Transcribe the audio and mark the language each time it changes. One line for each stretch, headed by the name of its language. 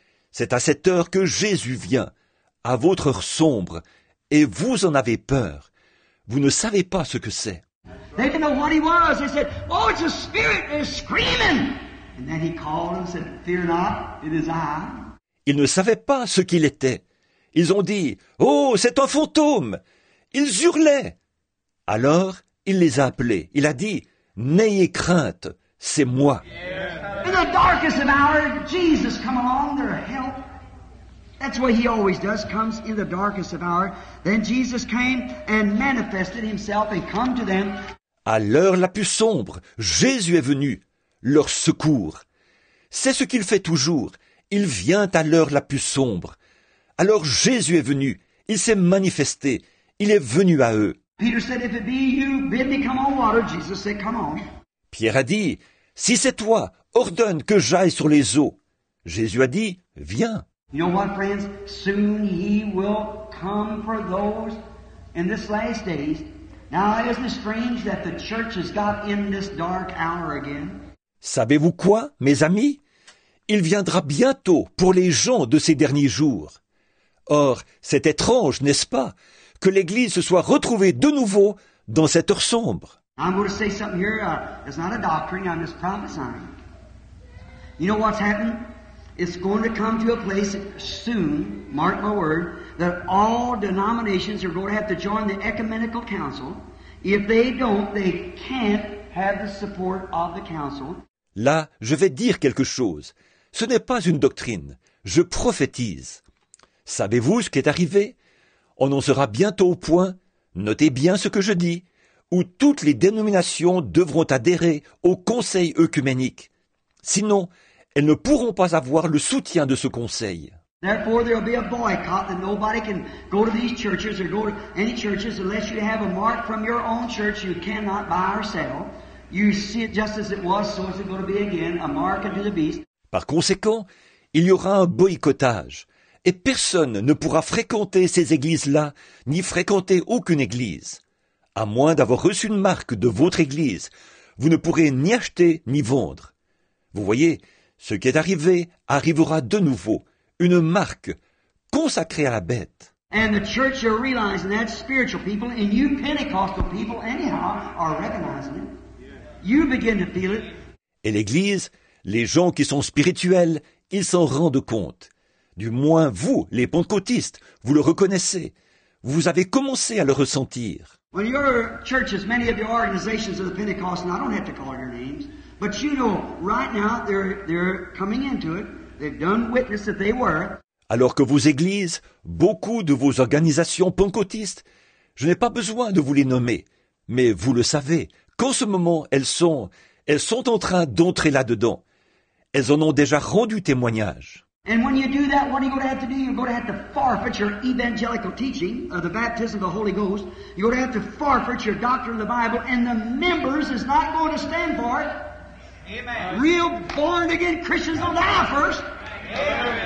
French: C'est à cette heure que Jésus vient, à votre heure sombre, et vous en avez peur. Vous ne savez pas ce que c'est.
English: They didn't know what he was. They said, "Oh, it's a spirit. They're screaming." And then he called and said, "Fear not, it is I."
French: Ils ne savaient pas ce qu'il était. Ils ont dit, "Oh, c'est un fantôme." Ils hurlaient. Alors, il les a appelés. Il a dit, "N'ayez crainte, c'est moi."
English: In the darkest of hour, Jesus come along their help. That's what he always does, comes in the darkest of hour. Then Jesus came and manifested himself and come to them.
French: À l'heure la plus sombre, Jésus est venu, leur secours. C'est ce qu'il fait toujours, il vient à l'heure la plus sombre. Alors Jésus est venu, il s'est manifesté, il est venu à eux.
English: Peter said, "If it be you, bid me come on water." Jesus said, "Come on."
French: Pierre a dit, "Si c'est toi, ordonne que j'aille sur les eaux." Jésus a dit, "Viens."
English: You know what, friends? Soon he will come for those in this last days. Now, isn't it strange that the church has got in this dark hour again?
French: Savez-vous quoi, mes amis? Il viendra bientôt pour les gens de ces derniers jours. Or, c'est étrange, n'est-ce pas, que l'Église se soit retrouvée de nouveau dans cette heure sombre.
English: I'm going to say something here. It's not a doctrine. I'm just prophesying. You know what's happened? It's going to come to a place soon, mark my word, that all denominations are going to have to join the ecumenical council. If they don't, they can't have the support of the council.
French: Là, je vais dire quelque chose. Ce n'est pas une doctrine. je prophétise. Savez-vous ce qui est arrivé? On en sera bientôt au point, notez bien ce que je dis, où toutes les dénominations devront adhérer au conseil œcuménique. Sinon, elles ne pourront pas avoir le soutien de ce conseil.
English: Therefore, there will be a boycott and nobody can go to these churches or go to any churches unless you have a mark from your own church you cannot buy or sell. You see it just as it was, so is it going to be again, a mark unto the beast.
French: Par conséquent, il y aura un boycottage et personne ne pourra fréquenter ces églises-là ni fréquenter aucune église. À moins d'avoir reçu une marque de votre église, vous ne pourrez ni acheter ni vendre. Vous voyez, ce qui est arrivé arrivera de nouveau. Une marque consacrée à la bête.
English: And the church are realizing that spiritual people and you Pentecostal people anyhow are recognizing it. You begin to feel it.
French: Et l'Église, les gens qui sont spirituels, ils s'en rendent compte. Du moins vous, les pentecôtistes, vous le reconnaissez. Vous avez commencé à le ressentir.
English: When your church is many of the organizations of the Pentecostal, I don't have to call your names, but you know, right now they're coming into it. They've done witness that they were.
French: Alors que vos églises, beaucoup de vos organisations pentecôtistes, je n'ai pas besoin de vous les nommer, mais vous le savez, qu'en ce moment, elles sont en train d'entrer là-dedans. Elles en ont déjà rendu témoignage.
English: And when you do that, what are you going to have to do? You're going to have to forfeit your evangelical teaching of the baptism of the Holy Ghost. You're going to have to forfeit your doctrine of the Bible, and the members is not going to stand for it. Amen. Real born again Christians will die first. Amen.